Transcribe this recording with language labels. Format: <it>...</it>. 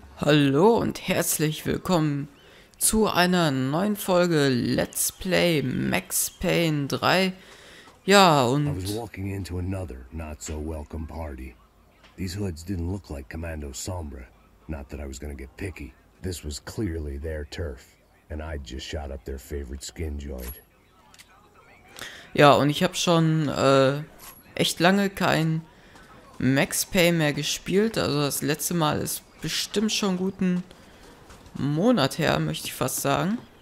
<de>Hallo und herzlich willkommen zu einer neuen Folge Let's Play Max Payne 3. Ja, und</de> <en>I was walking into another not so welcome party. These hoods didn't look like Commando Sombra. Not that I was gonna get picky. This was clearly their turf and I just shot up their favorite skin joint.</en> <de>Ja, und ich habe schon echt lange kein Max Payne mehr gespielt, also das letzte Mal ist bestimmt schon guten Monat her, möchte ich fast sagen.</de>